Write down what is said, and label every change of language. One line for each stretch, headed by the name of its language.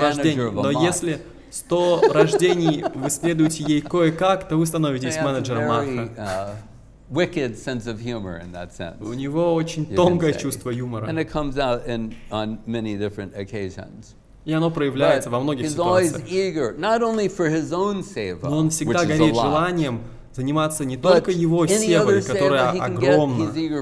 Russian: рождений, но если 100 рождений вы следуете ей кое-как, то вы становитесь менеджером Махи.
English: Wicked sense of humor in that sense.
Russian: У него очень тонкое чувство юмора.
English: And it comes out on many different occasions.
Russian: И оно проявляется во многих ситуациях. Но он всегда горит желанием заниматься не только его севой, которая огромна.